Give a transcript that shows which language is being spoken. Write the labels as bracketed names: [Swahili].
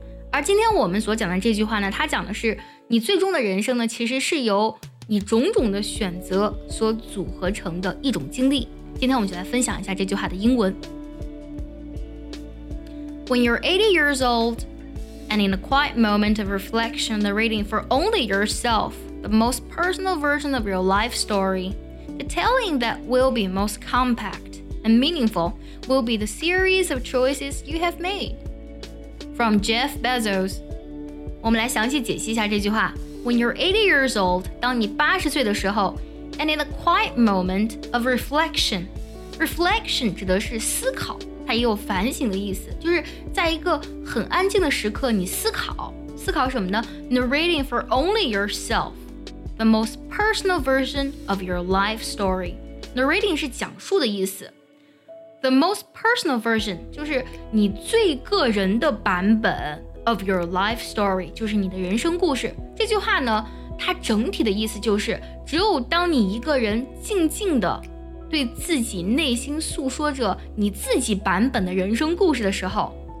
[Chinese] 而今天我们所讲的这句话呢它讲的是你最终的人生呢其实是由你种种的选择所组合成的一种经历今天我们就来分享一下这句话的英文 [English] When you're 80 years old, and in a quiet moment of reflection, the reading for only yourself, the most personal version of your life story, the telling that will be most compact and meaningful will be the series of choices you have made. From Jeff Bezos. [Chinese] 我们来详细解析一下这句话。 [English] When you're 80 years old, [Chinese] 当你80岁的时候, [English] and in a quiet moment of reflection, reflection [Chinese] 指的是思考。它也有反省的意思就是在一个很安静的时刻你思考什么呢 [English] narrating for only yourself the most personal version of your life story narrating [Chinese] 是讲述的意思 [English] the most personal version [Chinese] 就是你最个人的版本 [English] of your life story [Chinese] 就是你的人生故事这句话呢它整体的意思就是只有当你一个人静静的对自己内心诉说着你自己版本的人生故事的时候